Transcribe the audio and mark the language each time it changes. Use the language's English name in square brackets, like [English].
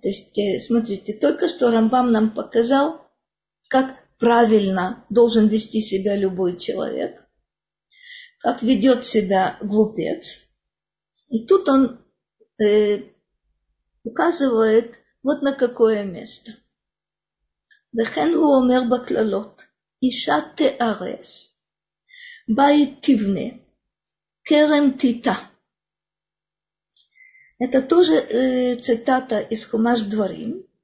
[Russian] То есть, смотрите, только что Рамбам нам показал, как правильно должен вести себя любой человек, как ведет себя глупец. И тут он указывает вот на какое место. [Hebrew] וכן הוא אומר בכללות, אישה תארס, בית תבנה, כרם תיתה. [Russian] Это тоже цитата из Хумаш Дворим.